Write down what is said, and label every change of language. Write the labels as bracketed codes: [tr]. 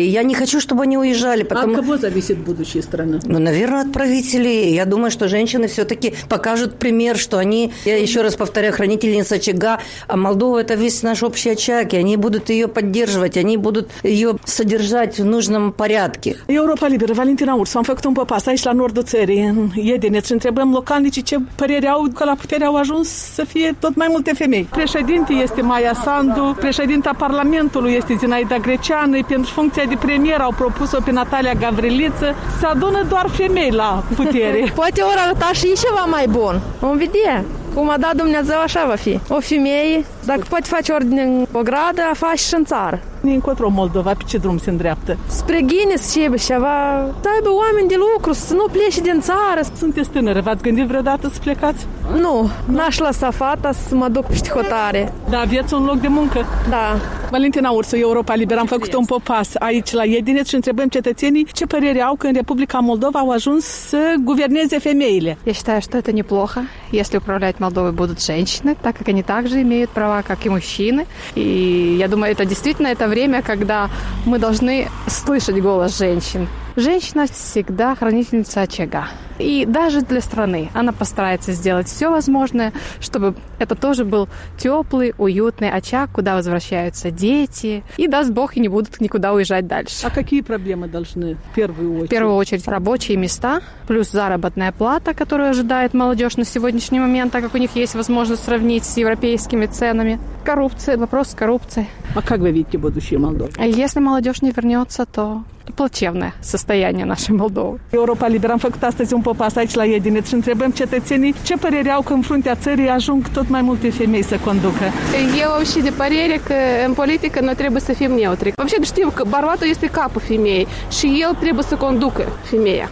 [ru] Я не хочу, чтобы они уезжали. Потому... От кого зависит будущее страны? Ну, наверное, от правителей. Я думаю, что женщины все-таки покажут пример, что они, я еще раз повторяю, хранительница очага. А Молдова – это весь наш общий очаг. И они будут ее поддерживать, они будут ее содержать в нужном порядке. [ro] Europa Liberă, Valentina Urs, am făcut un popas aici, la nordul țării, în Edineț, și întrebăm localnici ce părere au că la puterea au ajuns să fie tot mai multe femei. Președinte este Maia Sandu, președinta Parlamentului este Zinaida Greceanu, pentru funcția de premier au propus-o pe Natalia Gavriliță. Se adună doar femei la putere. Poate ori arăta și ceva mai bun. Vom vedea. Cum a dat Dumnezeu, așa va fi. O femeie, dacă poate face ordine în o gradă, a face și în țară. Încotro Moldova, pe ce drum se îndreaptă? Spre Ghinis și ceva, să aibă oameni de lucru, să nu plece din țară. Sunteți tânără, v-ați gândit vreodată să plecați? Nu, n-aș lăsa fata să mă duc pe hotare. Da, aveți un loc de muncă? Da. Valentina Ursu, Europa Liberă, am făcut un popas aici la Edineț și întrebăm cetățenii ce părere au că în Republica Moldova au ajuns să guverneze femeile. [ru] Я считаю, что это неплохо, если управлять Молдовой будут женщины, так как они также имеют права, как и мужчины. И я думаю, это действительно это время, когда мы должны слышать голос женщин. Женщина всегда хранительница очага. И даже для страны она постарается сделать все возможное, чтобы это тоже был теплый, уютный очаг, куда возвращаются дети. И даст Бог, и не будут никуда уезжать дальше. А какие проблемы должны в первую очередь? В первую очередь рабочие места, плюс заработная плата, которую ожидает молодежь на сегодняшний момент, так как у них есть возможность сравнить с европейскими ценами. Коррупция, вопрос коррупции. А как вы видите будущее Молдовы? Если молодежь не вернется, то... Плачевное состояние нашей Молдовы. [ro] Europa Liberă, am făcut astăzi un popas aici la Edineț și întrebăm cetățenii ce părere au că în fruntea țării ajung tot mai multe femei să conducă. Eu am și de părere că în politică noi trebuie să fim neutri. Vopșe, știu că bărbatul este capul femeii și el trebuie să conducă femeia.